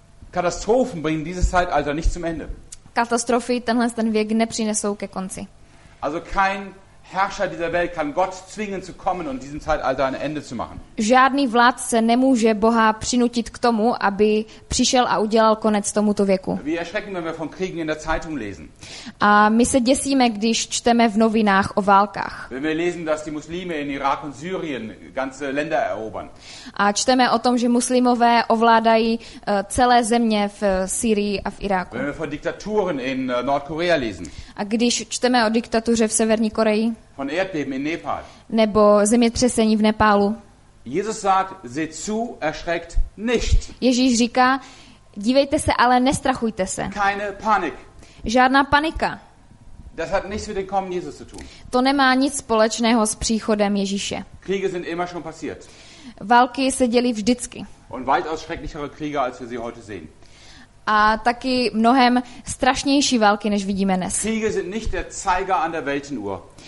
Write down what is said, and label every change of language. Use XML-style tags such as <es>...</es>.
<de>Katastrophen bringen dieses Zeitalter nicht zum Ende.</de> <cs>Katastrofy tenhle ten věk nepřinesou ke konci.</cs> <de>Also kein Herrscher dieser Welt kann Gott zwingen zu kommen und diesem Zeitalter ein Ende zu machen.</de> <cs>Žádný vládce nemůže Boha přinutit k tomu, aby přišel a udělal konec tomuto věku.</cs> <de>Wir erschrecken, wenn wir von Kriegen in der Zeitung lesen.</de> <cs>A my se děsíme, když čteme v novinách o válkách.</cs> <de>Wenn wir lesen, dass die Muslime in Irak und Syrien ganze Länder erobern.</de> <cs>A čteme o tom, že muslimové ovládají celé země v Syrii a v Iráku.</cs> <de>Wenn wir von Diktaturen in Nordkorea lesen.</de> <cs>A když čteme o diktatuře v Severní Koreji.</cs> <de>Von Erdbeben in Nepal.</de> <cs>Nebo zemětřesení v Nepálu.</cs> <de>Jesus sagt, seht zu, erschreckt nicht.</de> <cs>Ježíš říká, dívejte se, ale nestrachujte se.</cs> <de>Keine Panik.</de> <cs>Žádná panika.</cs> <de>Das hat nichts mit dem Kommen Jesus zu tun.</de> <cs>To nemá nic společného s příchodem Ježíše.</cs> <de>Kriege sind immer schon passiert.</de> <cs>Války se děly vždycky.</cs> <de>Und weitaus schrecklichere Kriege, als wir sie heute sehen.</de> <cs>A taky mnohem strašnější války, než vidíme dnes.</cs> <de>Kriege sind nicht der Zeiger an der Weltenuhr.</de>